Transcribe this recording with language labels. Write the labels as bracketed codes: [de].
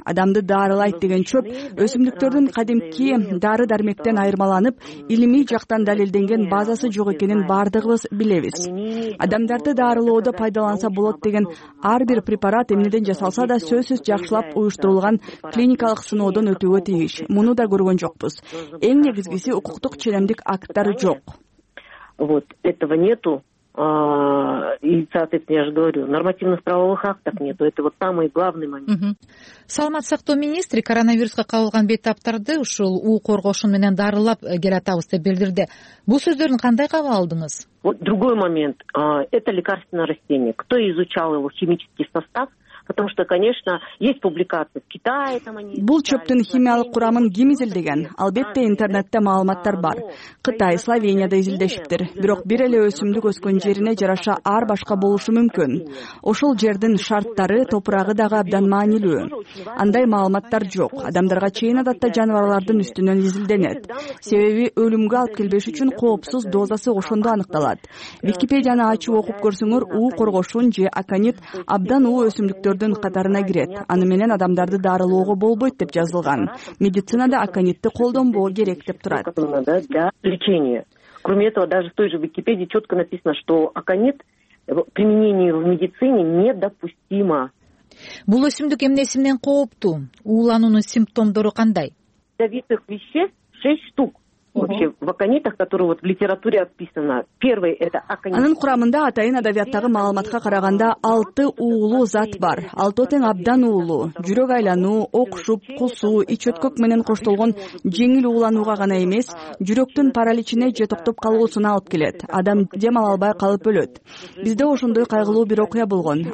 [ky] Адамды дарылайт деген чөп өсүмдүктөрдүн кадимки дары дармектен айырмаланып, илимий жактан далилденген базасы жок экенин баардыгыбыз билебиз. Адамдарды дарылоодо пайдаланса болот деген ар бир препарат эмнеден жасалса да сөзсүз жакшылап уюштурулган клиникалык сыноодон өтүүгө тийиш. Муну да көргөн жокпуз. Эң негизгиси укуктук ченемдик акттар жок. [ru] Вот этого нету. И, соответственно, я же говорю, нормативных правовых актов нету. Это вот самый главный момент. [ky] Саламат сактоо министри коронавируска кабылган бетаптарды ушул уу коргошун менен дарылап келатабыз деп билдирди. Бул сөздөрүн кандай кабыл алдыңыз? [ru] Вот другой момент. Это лекарственное растение. Кто изучал его химический состав? Потому что, конечно, есть публикации в Китае, там они. [ky] Бул чөптүн химиялык курамын ким изилдеген? Албетте, интернетте маалыматтар бар. Кытай, Словенияда изилдешиптир. Бирок бир эле өсүмдүк өскөн жерине жараша ар башка болушу мүмкүн. Ошол жердин шарттары, топурагы дагы абдан маанилүү. Андай маалыматтар жок. Адамдарга чейин адатта жаныбарлардын үстүнөн изилденет. Себеби өлүмгө алып келбеш үчүн коопсуз дозасы ошондо аныкталат. Википедияны ачып окуп көрсөңөр, уу коргошун же аконит абдан уу өсүмдүк дөрдүн катарына кирет. Аны менен адамдарды дарылоого болбойт деп жазылган. Медицинада аконитти колдонбоо керек деп турат. [ru] Лечение. Кроме этого, даже в той же Википедии четко написано, что аконит применение в медицине недопустимо. [ky] Бул өсүмдүк эмнесинен кооптуу? Уулануунун симптомдору кандай? [ru] Ядовитых веществ 6 штук. Вообще в аконитах, которые вот в литературе описано, первый это аконит. [ky] Анын курамында атайын адабияттагы маалыматка караганда 6 уулуу зат бар. Ал тотен абдан уулуу, жүрөк айлануу, окшуп, кусуу, ич өткөк менен коштолгон жеңил уулануга гана эмес, жүрөктүн параличине же токтоп калуусуна алып келет. Адам дем ала албай калып өлөт. Бизде ошондой кайгылуу бир окуя болгон.